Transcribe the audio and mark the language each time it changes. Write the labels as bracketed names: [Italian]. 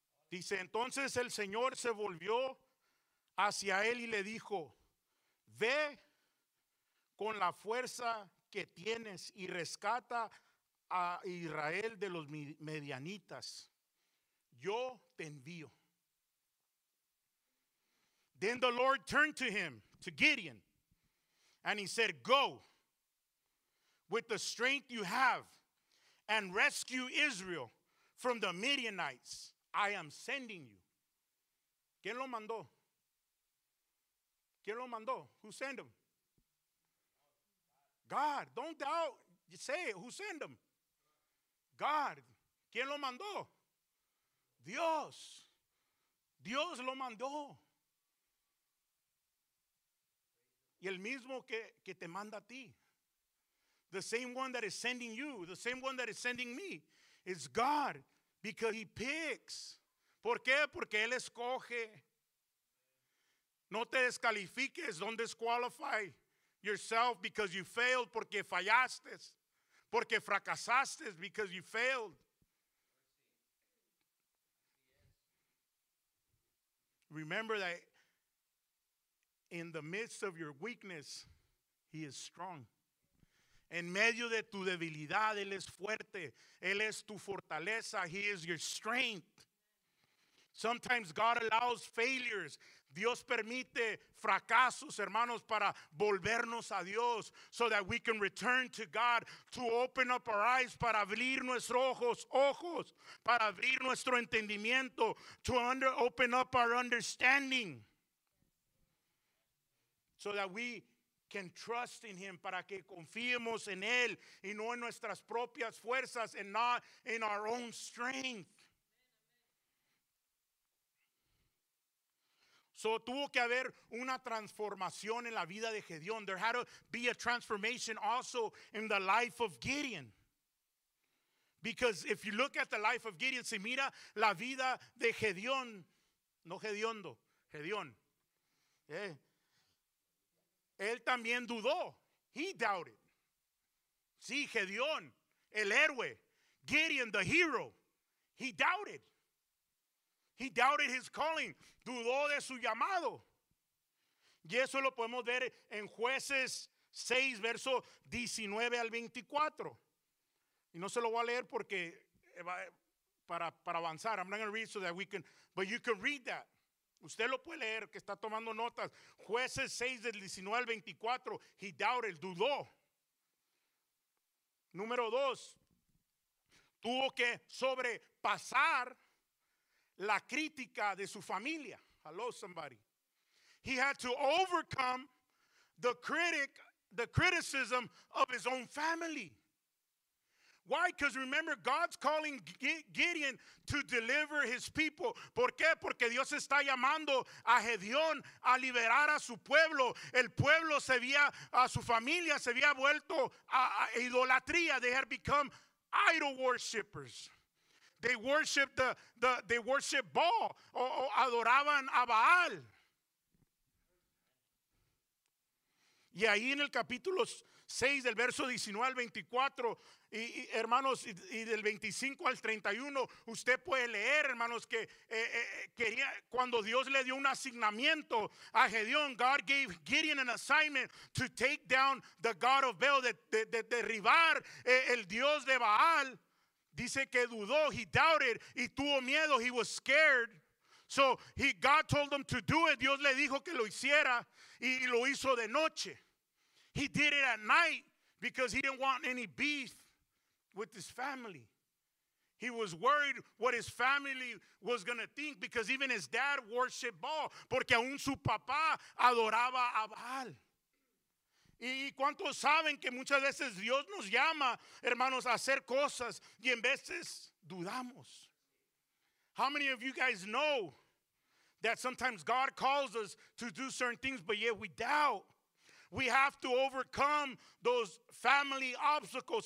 [Spanish] Dice, entonces el Señor se volvió hacia él y le dijo, ve con la fuerza que tienes y rescata a Israel de los medianitas. Yo te envío. [English] Then the Lord turned to him, to Gideon, and he said, go with the strength you have and rescue Israel from the Midianites. I am sending you. [Spanish] ¿Quién lo mandó? ¿Quién lo mandó? [English] Who sent him? God, don't doubt. Say it. Who sent him? God. [Spanish] ¿Quién lo mandó? Dios. Dios lo mandó. Y el mismo que te manda a ti. [English] The same one that is sending you. The same one that is sending me. It's God. Because he picks. [Spanish] ¿Por qué? Porque él escoge. No te descalifiques. [English] Don't disqualify yourself because you failed. [Spanish] Porque fallaste. Porque fracasaste. [English] Because you failed. Remember that in the midst of your weakness, he is strong. [Spanish] En medio de tu debilidad, él es fuerte. Él es tu fortaleza. [English] He is your strength. Sometimes God allows failures. [Spanish] Dios permite fracasos, hermanos, para volvernos a Dios, [English] so that we can return to God, to open up our eyes, [Spanish] para abrir nuestros ojos, para abrir nuestro entendimiento, [English] to open up our understanding, so that we can trust in him, [Spanish] para que confiemos en él, y no en nuestras propias fuerzas, [English] and not in our own strength. [Spanish] So tuvo que haber una transformación en la vida de Gedeón. [English] There had to be a transformation also in the life of Gideon. Because if you look at the life of Gideon, [Spanish] si mira la vida de Gedeón, no Gediondo, Gedeón. [English] Yeah. [Spanish] Él también dudó. [English] He doubted. [Spanish] Sí, Gedeón, el héroe. [English] Gideon, the hero. He doubted. He doubted his calling. [Spanish] Dudó de su llamado. Y eso lo podemos ver en Jueces 6, verso 19 al 24. Y no se lo voy a leer porque para avanzar. [English] I'm not going to read so that we can. But you can read that. [Spanish] Usted lo puede leer que está tomando notas. Jueces 6, del 19 al 24. [English] He doubted, [Spanish] dudó. Número 2. Tuvo que sobrepasar la crítica de su familia. [English] Hello, somebody. He had to overcome the criticism of his own family. Why? Because remember, God's calling Gideon to deliver his people. [Spanish] ¿Por qué? Porque Dios está llamando a Gedeón a liberar a su pueblo. El pueblo se había, a su familia se había vuelto a idolatría. [English] They had become idol worshippers. They worship Baal, [Spanish] o adoraban a Baal. Y ahí en el capítulo 6, del verso 19 al 24, y hermanos, y del 25 al 31, usted puede leer, hermanos, que quería, cuando Dios le dio un asignamiento a Gedeón, [English] God gave Gideon an assignment to take down the God of Baal, [Spanish] de derribar el Dios de Baal. Dice que dudó, [English] he doubted, [Spanish] y tuvo miedo, [English] he was scared. So he, God told him to do it. [Spanish] Dios le dijo que lo hiciera, y lo hizo de noche. [English] He did it at night because he didn't want any beef with his family. He was worried what his family was going to think because even his dad worshipped Baal. [Spanish] Porque aún su papá adoraba a Baal. ¿Y cuántos saben que muchas veces Dios nos llama, hermanos, a hacer cosas y en veces dudamos? [English] How many of you guys know that sometimes God calls us to do certain things, but yet we doubt? We have to overcome those family obstacles.